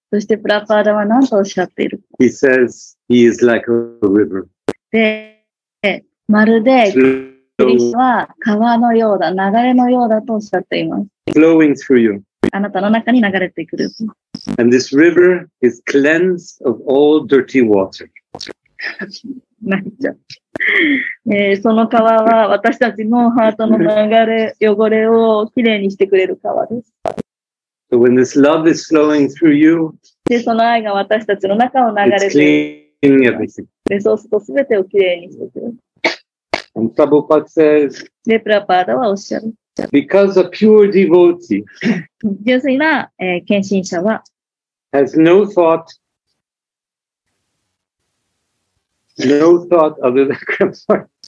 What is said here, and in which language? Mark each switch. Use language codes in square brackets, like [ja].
[ja] そしてプラパーダは何とおっしゃっている。 [en] He says he is like a river. [ja] で、まるでクリシナは川のようだ、流れのようだとおっしゃっています。 [en] Flowing through you. [ja] あなたの中に流れてくる。 [en] And this river is cleansed of all dirty water. [ja] 泣いちゃう。その川は私たちのハートの流れ、汚れをきれいにしてくれる川です。 [en] So、when this love is flowing through you, [ja] で、その愛が私たちの中を流れている。 [en] It's cleaning everything. [ja] で、そうするとすべてをきれいにしてくれる。 [en] And Prabhupada says, [ja] で、プラパーダはおっしゃる。 [en] Because a pure devotee, [ja] 純粋な、献身者は、 [en] has no thought,No thought other than Krishna.